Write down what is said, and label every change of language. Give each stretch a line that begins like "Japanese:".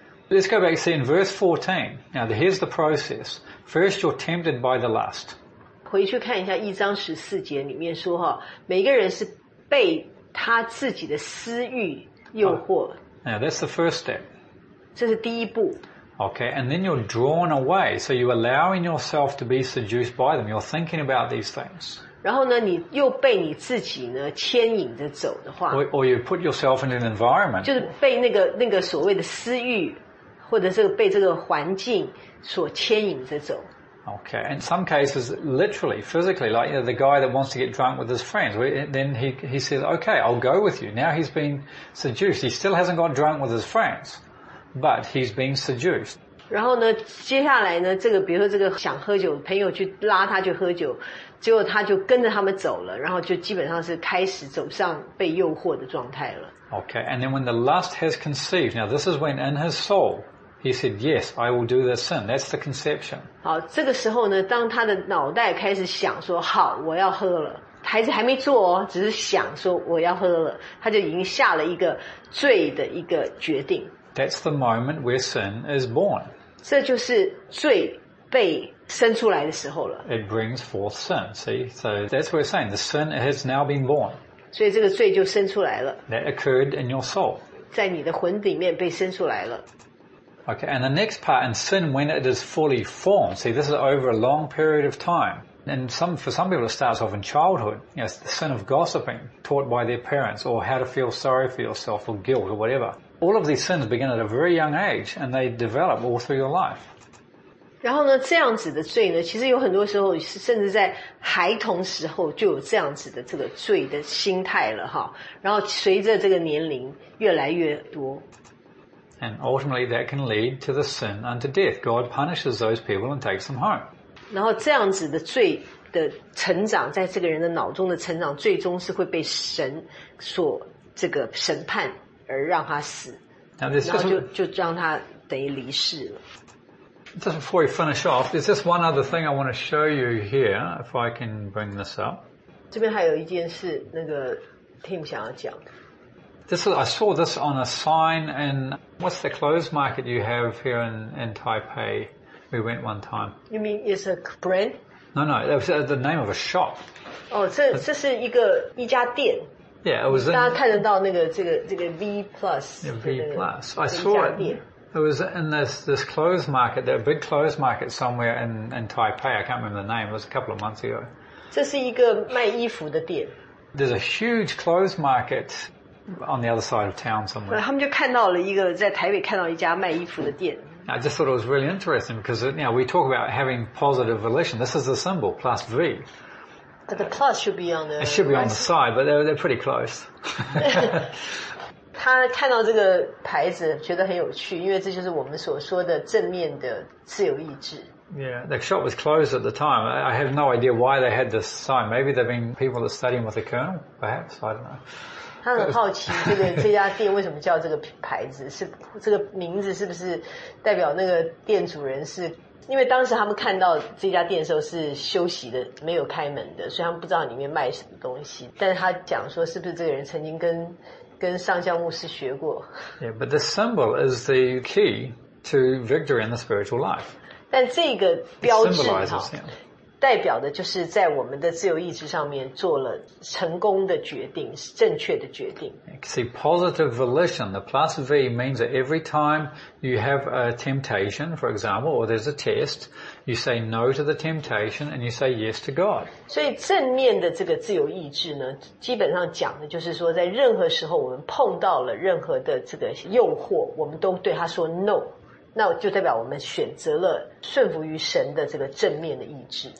English: Let's go back to see in verse 14. Now here's the process. First you're tempted by the lust.
Chinese: 回去看一下1章14节里面说,每个人是被他自己的私欲诱惑。
English: Now that's the first step.
Chinese: 这是第一步。
English: Okay, and then you're drawn away, so you're allowing yourself to be seduced by them. You're thinking about these things.
Chinese: 然后呢,你又被你自己呢,牵引着走的话,
English: or you put yourself in an environment.
Chinese: 就是被那个所谓的私欲,或者是被这个环境所牵引着走。
English: Okay, in some cases, literally, physically, like, you know, the guy that wants to get drunk with his friends, then he says, okay, I'll go with you. Now he's been seduced. He still hasn't got drunk with his friends, but he's been seduced.
Chinese: 然后呢，接下来呢，这个比如说这个想喝酒的朋友去拉他去喝酒，结果他就跟着他们走了，然后就基本上是开始走上被诱惑的状态了。
English: Okay, and then when the lust has conceived, now this is when in his soul,He said, yes, I will do the sin. That's the conception.
Chinese: 好，这个时候呢，当他的脑袋开始想说，好，我要喝了，孩子还没做哦，只是想说我要喝了，他就已经下了一个罪的一个决定。
English: That's the moment where sin is born.
Chinese: 这就是罪被生出来的时候了。
English: It brings forth sin, see? So that's what we're saying, the sin has now been born.
Chinese: 所以这个罪就生出来了。
English: That occurred in your soul.
Chinese: 在你的魂里面被生出来了。
English: Okay, and the next part, and sin when it is fully formed. See, this is over a long period of time. And for some people, it starts off in childhood. You know, it's the sin of gossiping taught by their parents, or how to feel sorry for yourself, or guilt, or whatever. All of these sins begin at a very young age, and they develop all through your life.
Chinese: 然后呢，这样子的罪呢，其实有很多时候，甚至在孩童时候就有这样子的这个罪的心态了哈。然后随着这个年龄越来越多。
English: And ultimately, that can lead to the sin unto death. God punishes those people and takes them home.
Chinese: 然后这样子的罪的成长，在这个人的脑中的成长，最终是会被神所这个审判而让他死。
English: Now this
Chinese: 然后就让他等于离世了。
English: Just before we finish off, there's just one other thing I want to show you here, if I can bring this up.
Chinese: 这边还有一件事，那个 Tim 想要讲。
English: I saw this on a sign in, what's the clothes market you have here in Taipei? We went one time. You mean it's a brand? No, it was the name of a shop. Oh, this is
Chinese: 一家店.
English: Yeah, it was in...
Chinese: 大家看得到那个这个 V Plus.
English: Yeah, V Plus. I saw it. It was in this clothes market, that big clothes market somewhere in Taipei. I can't remember the name. It was a couple of months ago.
Chinese: 这是一个卖衣服的店.
English: There's a huge clothes market. On the other side of town somewhere.
Chinese: 他们就看到了一个在台北看到一家卖衣服的店。
English: I just thought it was really interesting because, you know, we talk about having positive volition. This is the symbol, plus V. But the plus should be on the... It should be on the side, but they're pretty close.
Chinese: 他看到这个牌子觉得很有趣，因为这就是我们所说的正面的自由意志。
English: Yeah, the shop was closed at the time. I have no idea why they had this sign. Maybe they've been people that study with the colonel, perhaps. I don't know.
Chinese: 他很好奇这家店为什么叫这个牌子，是这个名字是不是代表那个店主人是，因为当时他们看到这家店的时候是休息的，没有开门的，所以他们不知道里面卖什么东西，但是他讲说是不是这个人曾经跟上校牧师学过。
English: Yeah, but the symbol is the key to victory in the spiritual life.
Chinese: 但这个标志代表的就是在我们的自由意志上面做了成功的决定，是正确的决定。
English: See, positive volition, the plus V means that every time you have a temptation, for example, or there's a test, you say no to the temptation and you say yes to God.
Chinese: 所以正面的这个自由意志呢，基本上讲的就是说，在任何时候我们碰到了任何的这个诱惑，我们都对他说 no。那就代表我们选择了顺服于神的这个正面的意志。